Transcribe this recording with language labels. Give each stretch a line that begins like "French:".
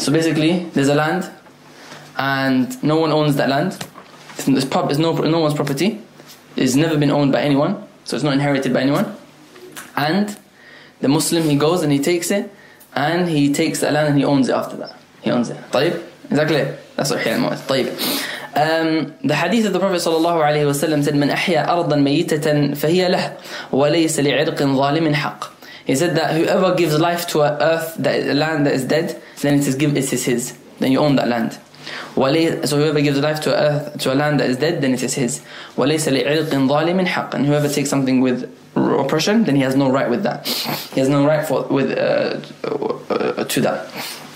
English: So basically, there's a land and no one owns that land. It's no one's property. It's never been owned by anyone, so it's not inherited by anyone. And the Muslim, he goes and he takes it, and he takes that land and he owns it after that. He owns it. طيب؟ Is that clear? That's what إحياء الموات.
Arabic: طيب.
English: The hadith of the Prophet sallallahu alayhi wa sallam said,
Arabic: من أحيا أرضا ميتة فهي له وليس لعرق ظالم حق.
English: He said that whoever gives life to an earth, that a land that is dead, then it is given, it is his. Then you own that land. So whoever gives life to an earth, to a land that is dead, then it is his.
Arabic: وَلَيْسَ لِعِلْقٍ ظَالِمٍ حَقٍ.
English: And whoever takes something with oppression, then he has no right with that. He has no right to that.